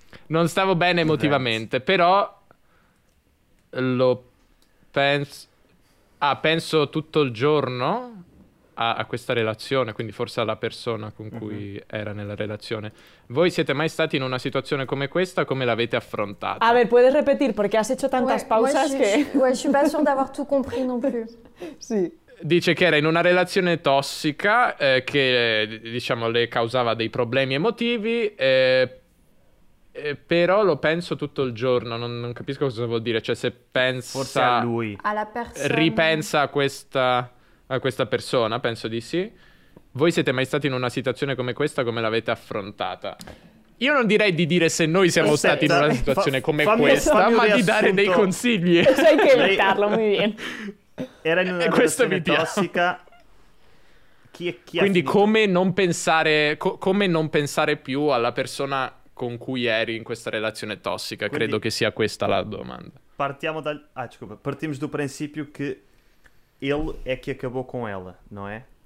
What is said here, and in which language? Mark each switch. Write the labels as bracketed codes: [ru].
[it] Non stavo bene emotivamente, però lo penso... Ah, penso tutto il giorno a questa relazione, quindi forse alla persona con cui uh-huh. era nella relazione. Voi siete mai stati in una situazione come questa? Come l'avete affrontata? [es] A ver, puedes repetir, [it] perché [es] has hecho tantas pausas que... [fr] Ouais, je suis pas sûr d'avoir tout compris non plus. [it] Sì. Dice che era in una relazione tossica che, diciamo, le causava dei problemi emotivi, però lo penso tutto il giorno, non capisco cosa vuol dire, cioè se pensa... Forse a lui. Alla persona. Ripensa a questa persona, penso di sì. Voi siete mai stati in una situazione come questa, come l'avete affrontata? Io non direi di dire se noi siamo stati in una situazione come questa, ma di dare dei consigli. Sai che evitarlo, mi viene. Era in una situazione tossica... Chi quindi come non pensare più alla persona con cui eri in questa relazione tossica? Quindi, credo che sia questa la domanda. [pt] Partimos do princípio que ele é que acabou com ela, não é?